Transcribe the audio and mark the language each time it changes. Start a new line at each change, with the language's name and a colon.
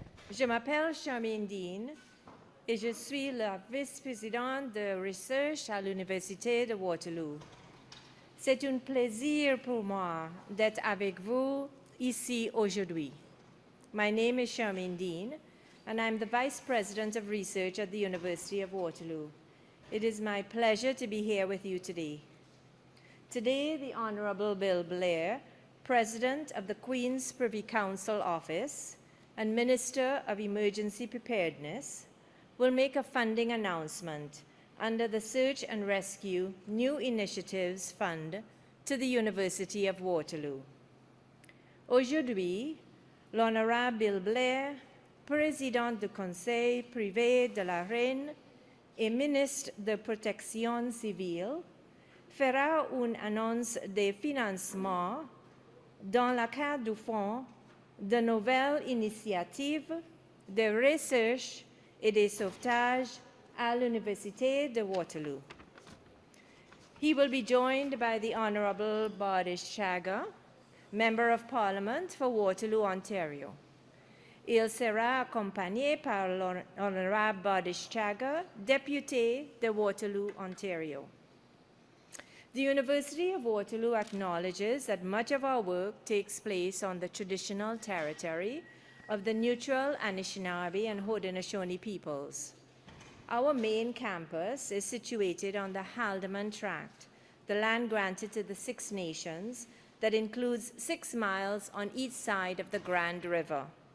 French: Je m'appelle Charmaine Dean et je suis la vice-présidente de recherche à l'Université de Waterloo. C'est un plaisir pour moi d'être avec vous ici aujourd'hui.
English: My name is Charmaine Dean, and I'm the vice president of research at the University of Waterloo. It is my pleasure to be here with you today. Today, the Honorable Bill Blair, President of the Queen's Privy Council Office and Minister of Emergency Preparedness, will make a funding announcement under the Search and Rescue New Initiatives Fund to the University of Waterloo.
French: Aujourd'hui, l'honorable Bill Blair, President du Conseil Privé de la Reine et Ministre de Protection Civile, fera une annonce de financement dans le cadre du fonds de nouvelles initiatives de recherche et de sauvetage à l'Université de Waterloo.
English: He will be joined by the Honorable Bardish Chagger, Member of Parliament for Waterloo, Ontario.
French: Il sera accompagné par l'Honorable Bardish Chagger, Député de Waterloo, Ontario.
English: The University of Waterloo acknowledges that much of our work takes place on the traditional territory of the Neutral Anishinaabe and Haudenosaunee peoples. Our main campus is situated on the Haldimand Tract, the land granted to the Six Nations that includes 6 miles on each side of the Grand River.